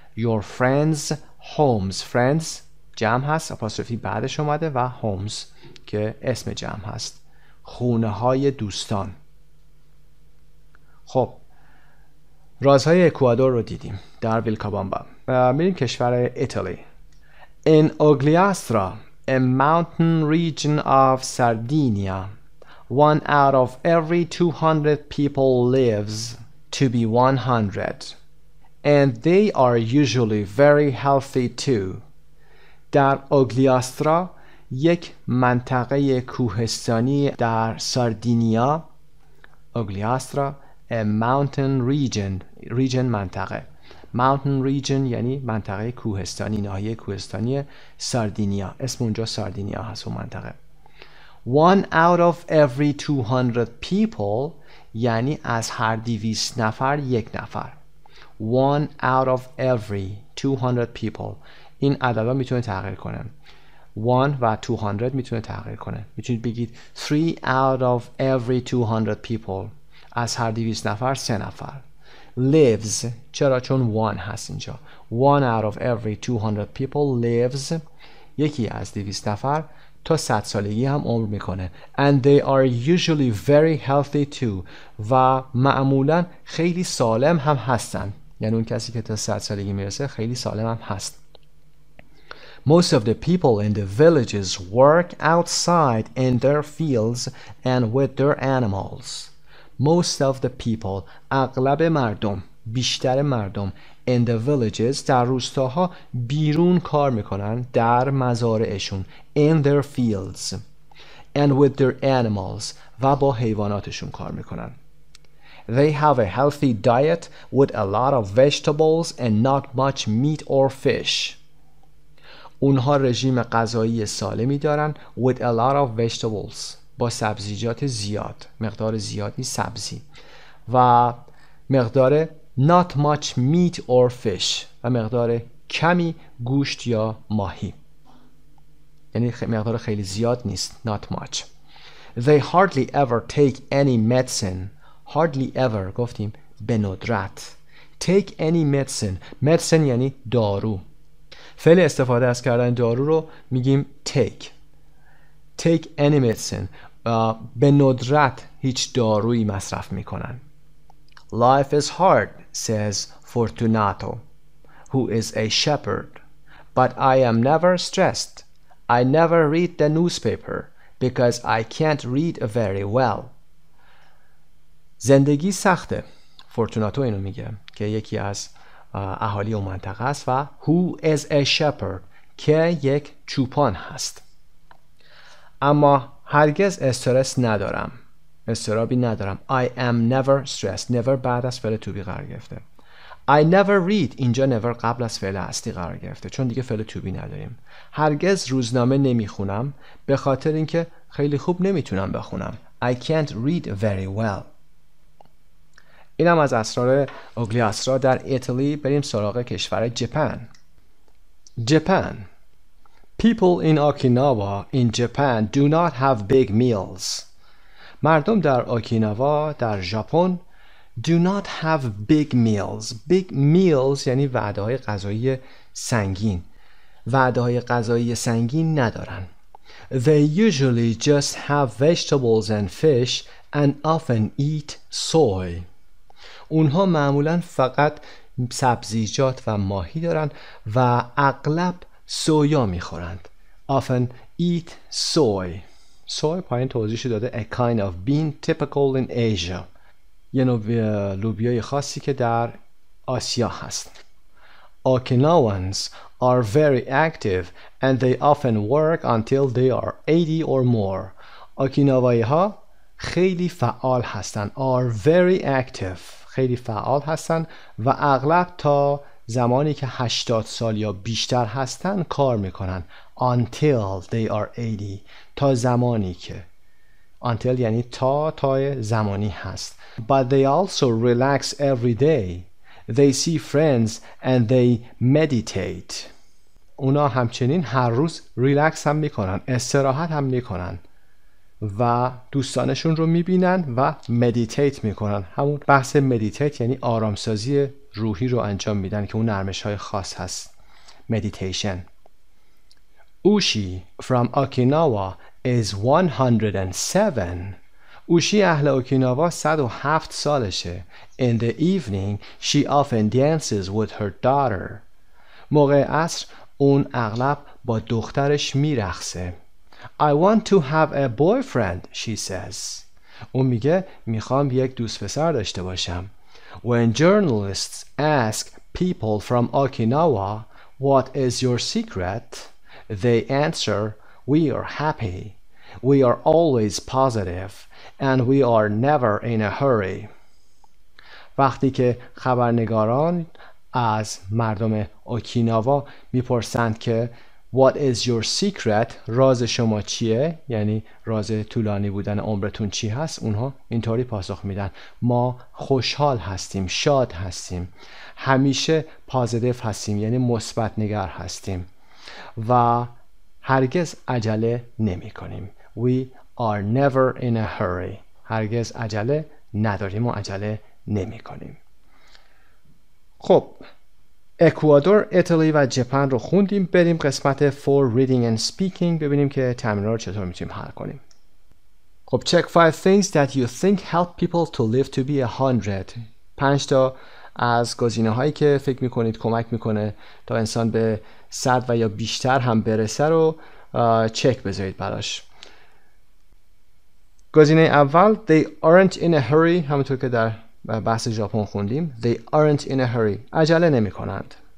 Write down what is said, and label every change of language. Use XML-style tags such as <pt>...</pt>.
<en>Your friends homes.</en> <fa>Friends جمع هست, اپاستروفی بعدش اومده, و homes که اسم جمع هست, خونه های دوستان. خب رازهای اکوادور رو دیدیم در ویلکابامبا. میریم کشور ایتالی.</fa> <en>In Ogliastra, a mountain region of Sardinia, one out of every 200 people lives to be 100, and they are usually very healthy too.</en> <fa>در اوگلیاسترا, یک منطقه کوهستانی در ساردینیا, اوگلیاسترا,</fa> <en>a mountain region,</en> <fa>region منطقه, mountain region یعنی منطقه کوهستانی, ناحیه کوهستانی ساردینیا, اسم اونجا ساردینیا هست اون منطقه.</fa> <en>One out of every 200 people</en> <fa>یعنی از هر 200 نفر یک نفر.</fa> <en>One out of every 200 people,</en> <fa>این عددا میتونه تغییر کنه. One و 200 میتونه تغییر کنه. میتونید بگید</fa> <en>3 out of every 200 people,</en> <fa>از هر 200 نفر 3 نفر. Lives, چرا؟ چون one هست اینجا.</fa> <en>One out of every 200 people lives,</en> <fa>یکی از 200 نفر تا 100 سالگی هم عمر میکنه.</fa> <en>And they are usually very healthy too,</en> <fa>و معمولا خیلی سالم هم هستن. یعنی اون کسی که تا 100 سالگی میرسه خیلی سالم هم هست.</fa> <en>Most of the people in the villages work outside in their fields and with their animals. Most of the people,</en> <fa>اغلب مردم, بیشتر مردم,</fa> <en>in the villages,</en> <fa>در روستاها, بیرون کار میکنن, در مزارعشون,</fa> <en>in their fields, and with their animals,</en> <fa>و با حیواناتشون کار میکنن.</fa> <en>They have a healthy diet with a lot of vegetables and not much meat or fish.</en> <fa>اونها رژیم غذایی سالمی دارن,</fa> <en>with a lot of vegetables,</en> <fa>با سبزیجات زیاد, مقدار زیادی سبزی, و مقدار</fa> <en>not much meat or fish,</en> <fa>و مقدار کمی گوشت یا ماهی, یعنی مقدار خیلی زیاد نیست,</fa> <en>not much. They hardly ever take any medicine. Hardly ever,</en> <fa>گفتیم به ندرت.</fa> <en>Take any medicine. Medicine</en> <fa>یعنی دارو. فعل استفاده از کردن دارو رو میگیم take.</fa> <en>Take any medicine.</en> <fa>به ندرت هیچ دارویی مصرف میکنن.</fa> <en>Life is hard, says Fortunato, who is a shepherd, but I am never stressed. I never read the newspaper because I can't read very well.</en> <fa>زندگی سخته. فورتوناتو اینو میگه که یکی از اهالی اون منطقه است, و</fa> <en>who is a shepherd,</en> <fa>که یک چوپان هست. اما هرگز استرس ندارم. استرابی ندارم.</fa> <en>I am never stressed. Never</en> <fa>بعد از فعل</fa> <en>to be قرار گرفته. I never read.</en> <fa>اینجا never قبل از فعل هستی قرار گرفته, چون دیگه فعل to be نداریم. هرگز روزنامه نمیخونم, به خاطر اینکه خیلی خوب نمیتونم بخونم.</fa> <en>I can't read very well.</en> <fa>اینم از اسرار اوگلیاسترا در ایتالی. بریم سراغ کشور ژاپن.</fa> <en>Japan. People in Okinawa in Japan do not have big meals.</en> <fa>مردم در اوکیناوا در ژاپن</fa> <en>do not have big meals. Big meals</en> <fa>یعنی وعده های غذایی سنگین. وعده های غذایی سنگین ندارن.</fa> <en>They usually just have vegetables and fish and often eat soy.</en> <fa>اونها معمولا فقط سبزیجات و ماهی دارن و اغلب سویا میخورند.</fa> <en>Often eat soy. Soy</en> <fa>پایین توضیحش داده</fa> <en>a kind of bean typical in Asia.</en> <fa>یه نوع لوبیای خاصی که در آسیا هست.</fa> <en>Okinawans are very active and they often work until they are 80 or more.</en> <fa>اوکیناوایی ها خیلی فعال هستن.</fa> <en>Are very active.</en> <fa>خیلی فعال هستن و اغلب تا زمانی که 80 سال یا بیشتر هستن کار میکنن.</fa> <en>Until they are 80.</en> <fa>تا زمانی که. Until یعنی تا تای زمانی هست.</fa> <en>But they also relax every day. They see friends and they meditate.</en> <fa>اونا همچنین هر روز ریلکس هم میکنن، استراحت هم میکنن و دوستانشون رو میبینن و مدیتیت میکنن. همون بحث مدیتیت یعنی آرامسازی روحی رو انجام میدن که اون نرمش های خاص هست. مدیتیشن.</fa> <en>Ushi from Okinawa is 107.</en> <fa>اوشی اهل اوکیناوا 107 سالشه.</fa> <en>In the evening she often dances with her daughter.</en> <fa>موقع عصر اون اغلب با دخترش میرخصه.</fa> <en>I want to have a boyfriend, she says.</en> <fa>اون میگه میخوام یک دوست پسر داشته باشم.</fa> <en>When journalists ask people from Okinawa, what is your secret? They answer, we are happy. We are always positive. And we are never in a hurry.</en> <fa>وقتی که خبرنگاران از مردم اوکیناوا میپرسند که</fa> <en>What is your secret؟</en> <fa>راز شما چیه؟ یعنی راز طولانی بودن عمرتون چی هست؟ اونها اینطوری پاسخ میدن. ما خوشحال هستیم، شاد هستیم، همیشه پازیتیو هستیم، یعنی مثبت نگر هستیم و هرگز عجله نمی کنیم.</fa> <en>We are never in a hurry.</en> <fa>هرگز عجله نداریم و عجله نمی کنیم. خب اکوادور، ایتالیا و ژاپن رو خوندیم. بریم قسمت 4</fa> <en>reading and speaking</en> <fa>ببینیم که تمرین‌ها رو چطور میتونیم حل کنیم.</fa> <en>خب check 5 things that you think help people to live to be 100.</en> <fa>5 تا از گزینه‌هایی که فکر میکنید کمک میکنه تا انسان به 100 و یا بیشتر هم برسه رو چک بذارید براش. گزینه اول</fa> <en>they aren't in a hurry.</en> <fa>همونطور که در بحث ژاپن خوندیم</fa> <en>they aren't in a hurry،</en> <fa>عجله نمی کنند.</fa>